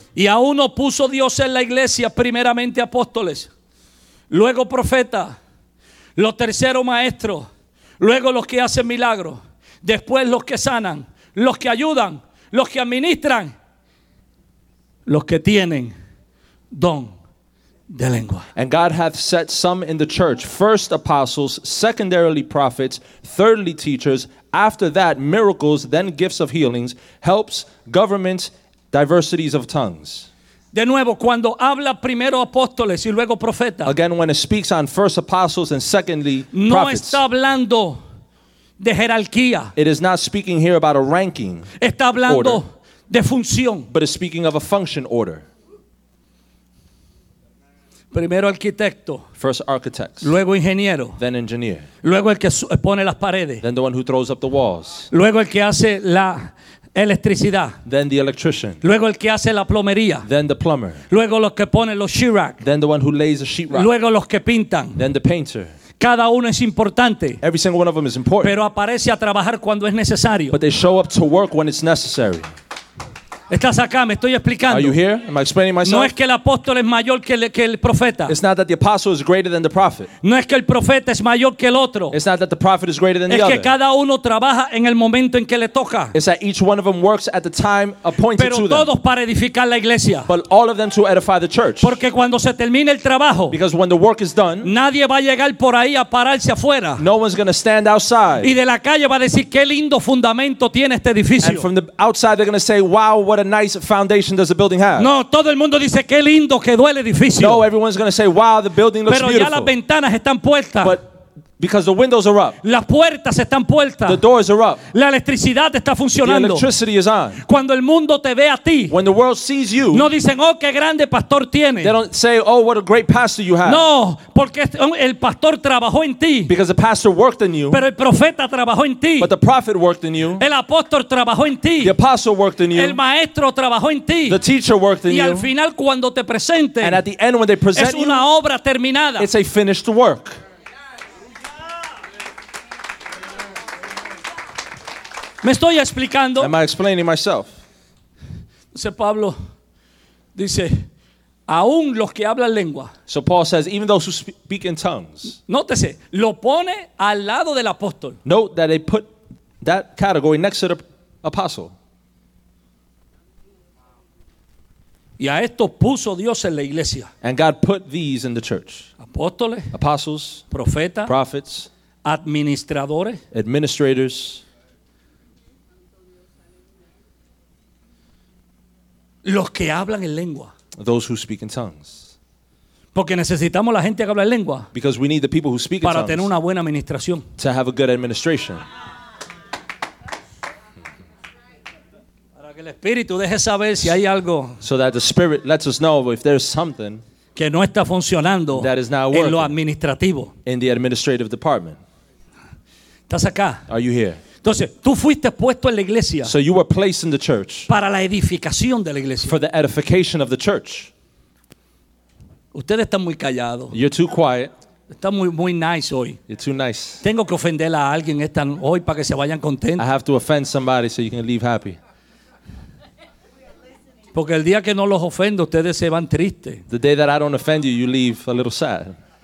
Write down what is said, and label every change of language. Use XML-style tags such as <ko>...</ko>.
<es>Y a uno puso Dios en la iglesia primeramente apóstoles. Luego profeta, los terceros maestros, luego los que hacen milagros, después los que sanan, los que ayudan, los que administran, los que tienen don de lengua.</es> <en>And God hath set some in the church, first apostles, secondarily prophets, thirdly teachers, after that miracles, then gifts of healings, helps, governments, diversities of tongues.</en> <es>De nuevo, cuando habla primero apóstoles y luego profetas.</es> <en>Again, when it speaks on first apostles and secondly prophets.</en> <es>No está hablando de jerarquía.</es> <en>It is not speaking here about a ranking.</en> <es>Está hablando de función.</es> <en>But it's speaking of a function order.</en> <es>Primero arquitecto.</es> <en>First architects.</en> <es>Luego ingeniero.</es> <en>Then engineer.</en> <es>Luego el que pone las paredes.</es> <en>Then the one who throws up the walls.</en> <es>Luego el que hace la electricidad.</es> <en>Then the electrician.</en> <es>Luego el que hace la plomería.</es> <en>Then the plumber.</en> <es>Luego los que ponen los sheetrock.</es> <en>Then the one who lays the sheetrock.</en> <es>Luego los que pintan.</es> <en>Then the painter.</en> <es>Cada uno es importante.</es> <en>Every single one of them is important.</en> <es>Pero aparece a trabajar cuando es necesario.</es> <en>But they show up to work when it's necessary.</en> <es>Estás acá, me estoy explicando.</es> <en>Are you here? Am I explaining myself?</en> <es>No es que el apóstol es mayor que el profeta.</es> <en>It's not that the apostle is greater than the prophet.</en> <es>No es que el profeta es mayor que el otro.</es> <en>It's not that the prophet is greater than</en> <es>es</es> <en>the</en> <es>que</es> <en>other.</en> <es>Cada uno trabaja en el momento en que le toca.</es> <en>It's that each one of them works at the time appointed</en> <es>pero</es> <en>to them.</en> <es>Pero todos para edificar la iglesia.</es> <en>But all of them to edify the church.</en> <es>Porque cuando se termine el trabajo,</es> <en>because when the work is done,</en> <es>nadie va a llegar por ahí a pararse afuera.</es> <en>No one's going to stand outside.</en> <es>Y de la calle va a decir qué lindo fundamento tiene este edificio.</es> <en>And from the outside they're going to say, wow, what a nice foundation does the building have?</en> <es>No, todo el mundo dice qué lindo quedó el edificio.</es> <en>No, everyone's going to say, wow, the building looks beautiful.</en> <es>Pero ya las ventanas están puestas.</es> <en>But because the windows are up.</en> <es>Las puertas están puestas.</es> <en>The doors are up.</en> <es>La electricidad está funcionando.</es> <en>The electricity is on.</en> <es>Cuando el mundo te ve a ti.</es> <en>When the world sees you.</en> <es>No dicen, oh, qué grande pastor tiene.</es> <en>They don't say, oh, what a great pastor you have.</en> <es>No, porque el pastor trabajó en ti.</es> <en>Because the pastor worked in you.</en> <es>Pero el profeta trabajó en ti.</es> <en>But the prophet worked in you.</en> <es>El apóstol trabajó en ti.</es> <en>The apostle worked in you.</en> <es>El maestro trabajó en ti.</es> <en>The teacher worked in</en> <es>y</es> <en>you.</en> <es>Y al final cuando te presenten.</es> <en>And at the end when they present</en> <es>es una</es> <en>you,</en> <es>obra terminada.</es> <en>It's a finished work.</en> <es>Me estoy explicando.</es> <en>Am I explaining myself?</en> <es>Entonces Pablo dice, aún los que hablan lengua.</es> <en>So Paul says, even those who speak in tongues.</en> <es>Nótese, lo pone al lado del apóstol.</es> <en>Note that they put that category next to the apostle.</en> <es>Y a esto puso Dios en la iglesia.</es> <en>And God put these in the church.</en> <es>Apóstoles.</es> <en>Apostles.</en> <es>Profetas.</es> <en>Prophets.</en> <es>Administradores.</es> <en>Administrators.</en> <es>Los que hablan en lengua.</es> <en>Those who speak in tongues.</en> <es>Porque necesitamos la gente que habla en lengua.</es> <en>Because we need the people who speak</en> <es>para</es> <en>in tongues.</en> <es>Para tener una buena administración.</es> <en>To have a good administration.</en> <es>Para que el Espíritu deje saber si hay algo.</es> <en>So that the Spirit lets us know if there's something.</en> <es>Que no está funcionando.</es> <en>That is not working.</en> <es>En lo administrativo.</es> <en>In the administrative department.</en> <es>¿Estás acá?</es> <en>Are you here?</en> <es>Entonces, tú fuiste puesto en la iglesia.</es> <en>So you were placed in the church.</en> <es>Para la edificación de la iglesia.</es> <en>For the edification of the church.</en> <es>Ustedes están muy callados.</es> <en>You're too quiet.</en> <es>Están muy muy nice hoy.</es> <en>You're too nice.</en> <es>Tengo que ofender a alguien esta hoy para que se vayan contentos.</es> <en>I have to offend somebody so you can leave happy.</en> <es>Porque el día que no los ofendo, ustedes se van tristes.</es> <en>The day that I don't offend you, you leave a little sad.</en>